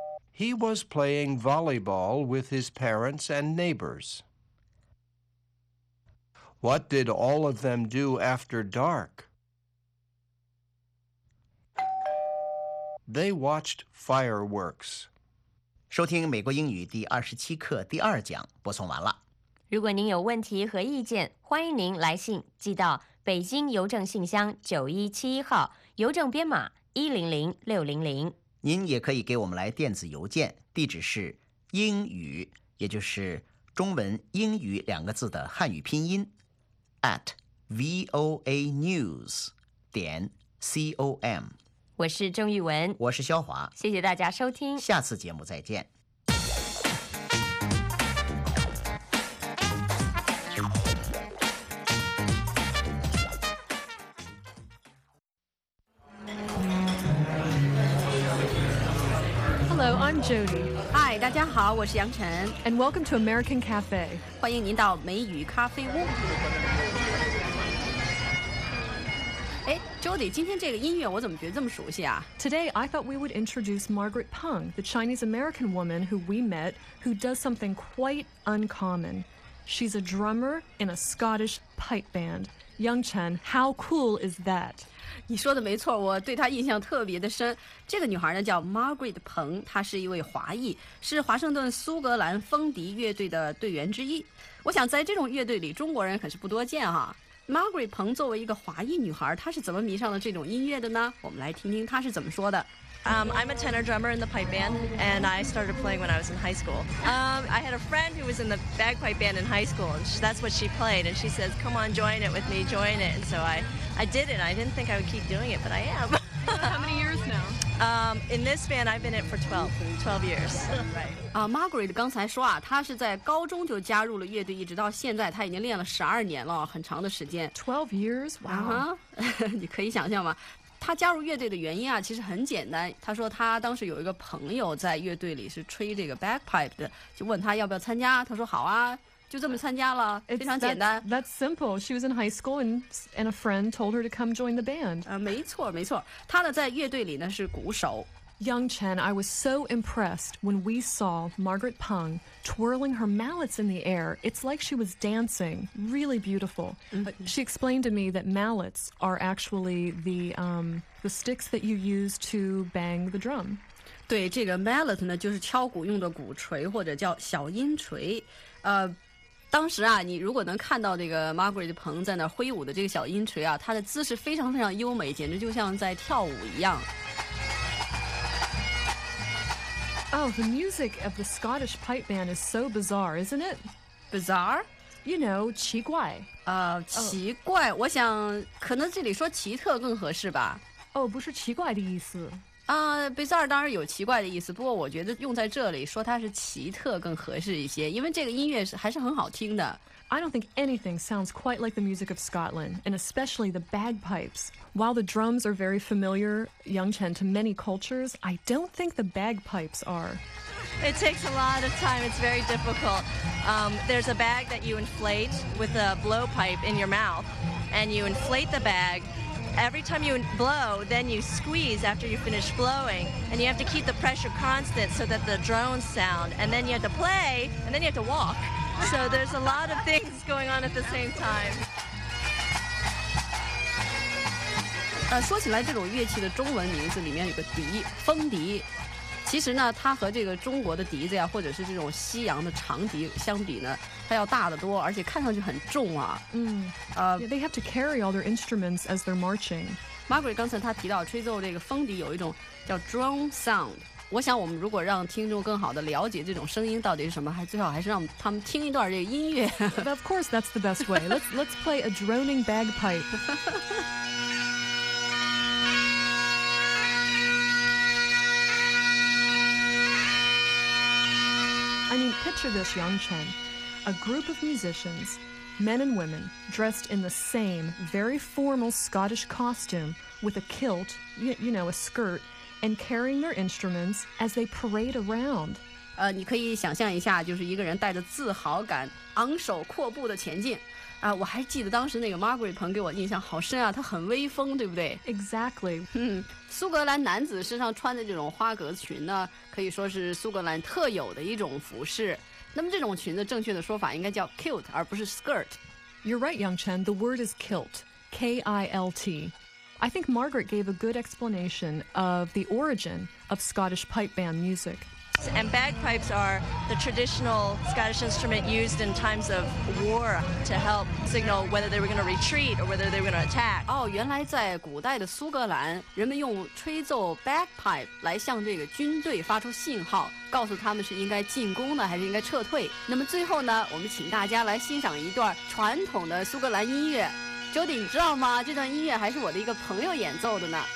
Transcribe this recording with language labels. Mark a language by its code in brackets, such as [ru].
[en] He was playing volleyball with his parents and neighbors. What did all of them do after dark? They watched fireworks. [zh] 收听美国英语第二十七课第二讲播送完了。如果您有问题和意见，欢迎您来信寄到北京邮政信箱9171号，邮政编码100600。您也可以给我们来电子邮件，地址是英语，也就是中文英语两个字的汉语拼音 @voanews.com。我是郑玉文，我是肖华，谢谢大家收听，下次节目再见。 [en] Jody. Hi, [zh] 大家好，我是杨晨。 [en] And welcome to American Cafe. [zh] 欢迎您到美语咖啡屋。 Jody, 今天这个音乐我怎么觉得这么熟悉啊？ [en] Today, I thought we would introduce Margaret Peng, the Chinese-American woman who we met, who does something quite uncommon. She's a drummer in a Scottish pipe band. Yang Chen, how cool is that? [zh] 你说的没错，我对她印象特别的深。这个女孩呢叫 Margaret Peng, 她是一位华裔，是华盛顿苏格兰风笛乐队的队员之一。我想在这种乐队里，中国人可是不多见哈。Margaret Peng 作为一个华裔女孩，她是怎么迷上了这种音乐的呢？我们来听听她是怎么说的。 [en] I'm a tenor drummer in the pipe band, and I started playing when I was in high school. I had a friend who was in the bagpipe band in high school, and that's what she played. And she says, come on, join it with me, join it. And so I did it. I didn't think I would keep doing it, but I am. How many years now? In this band, I've been in for 12 years. Right. [zh] Margaret 刚才说啊，她是在高中就加入了乐队，一直到现在她已经练了12年了，很长的时间。 [en] 12 years? Wow. [zh] Uh-huh. 你可以想象吗？他加入乐队的原因啊，其实很简单。他说他当时有一个朋友在乐队里是吹这个 bagpipe 的，就问他要不要参加，他说好啊，就这么参加了，非常简单。 [en] That's simple. She was in high school and a friend told her to come join the band. [zh] 没错没错，他呢在乐队里呢是鼓手。 [en] Yang Chen, I was so impressed when we saw Margaret Peng twirling her mallets in the air. It's like she was dancing. Really beautiful. She explained to me that mallets are actually the sticks that you use to bang the drum. [zh] 对，这个 mallet 呢，就是敲鼓用的鼓槌，或者叫小音锤。当时啊，你如果能看到这个 Margaret Peng 在那挥舞的这个小音锤啊，她的姿势非常非常优美，简直就像在跳舞一样。 [en] Oh, the music of the Scottish pipe band is so bizarre, isn't it? Bizarre? You know, [zh] 奇怪。奇怪，我想可能这里说奇特更合适吧。哦，不是奇怪的意思。 Bizarre 当然有奇怪的意思，不过我觉得用在这里说它是奇特更合适一些，因为这个音乐还是很好听的。 [en] I don't think anything sounds quite like the music of Scotland, and especially the bagpipes. While the drums are very familiar, Yang Chen, to many cultures, I don't think the bagpipes are. It takes a lot of time. It's very difficult. There's a bag that you inflate with a blowpipe in your mouth, and you inflate the bag. Every time you blow, then you squeeze after you finish blowing, and you have to keep the pressure constant so that the drones sound, and then you have to play, and then you have to walk. So there's a lot of things going on at the same time. [zh] 说起来这种乐器的中文名字里面有个笛，风笛。其实呢，它和这个中国的笛子呀，或者是这种西洋的长笛相比呢，它要大得多，而且看上去很重啊。 [en] They have to carry all their instruments as they're marching. [zh] Margaret 刚才她提到吹奏这个风笛有一种叫 drone sound。我想我们如果让听众更好地了解这种声音到底是什么，还最好还是让他们听一段这个音乐。 [en] But of course, that's the best way. Let's play a droning bagpipe. I mean, picture this, Yang Chen. A group of musicians, men and women, dressed in the same very formal Scottish costume with a kilt, you know, a skirt,and carrying their instruments as they parade around. [zh] 你可以想象一下，就是一个人带着自豪感昂首阔步的前进。我还记得当时那个 Margaret Peng 给我印象好深啊，她很威风，对不对？ [en] Exactly. [zh] 苏格兰男子身上穿的这种花格裙呢，可以说是苏格兰特有的一种服饰。那么这种裙子正确的说法应该叫 kilt 而不是 skirt。 [en] You're right, Yang Chen. The word is kilt. K-I-L-T. I think Margaret gave a good explanation of the origin of Scottish pipe band music. And bagpipes are the traditional Scottish instrument used in times of war to help signal whether they were going to retreat or whether they were going to attack. [zh] 原来在古代的苏格兰，人们用吹奏 bagpipe 来向这个军队发出信号，告诉他们是应该进攻呢，还是应该撤退。那么最后呢，我们请大家来欣赏一段传统的苏格兰音乐。 Jody, 你知道吗？这段音乐还是我的一个朋友演奏的呢。